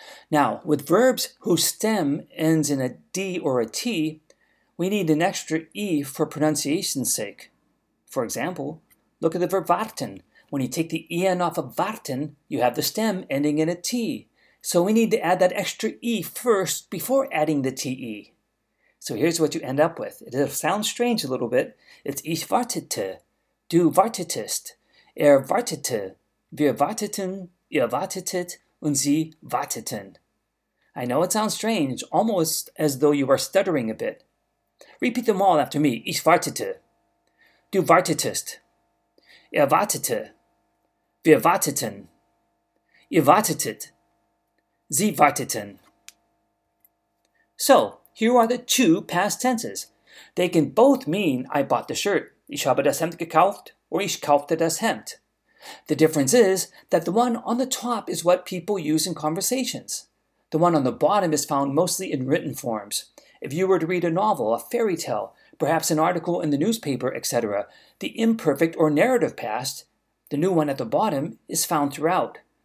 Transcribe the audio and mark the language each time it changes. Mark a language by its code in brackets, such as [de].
[en] Now, with verbs whose stem ends in a D or a T, we need an extra E for pronunciation's sake. For example, look at the verb warten. When you take the EN off of warten, you have the stem ending in a T. So we need to add that extra E first before adding the TE. So here's what you end up with. It'll sound strange a little bit. It's [de] ich wartete. Du wartetest, wartete, wir warteten, ihr wartetet, und sie warteten. [en] I know it sounds strange, almost as though you are stuttering a bit. Repeat them all after me. [de] Ich wartete. Du wartetest. Wartete. Wir warteten. Ihr wartetet. Sie warteten. [en] So, here are the two past tenses. They can both mean I bought the shirt. [de] Ich habe das Hemd gekauft, or ich kaufte das Hemd. [en] The difference is that the one on the top is what people use in conversations. The one on the bottom is found mostly in written forms. If you were to read a novel, a fairy tale, perhaps an article in the newspaper, etc., the imperfect or narrative past, the new one at the bottom, is found throughout.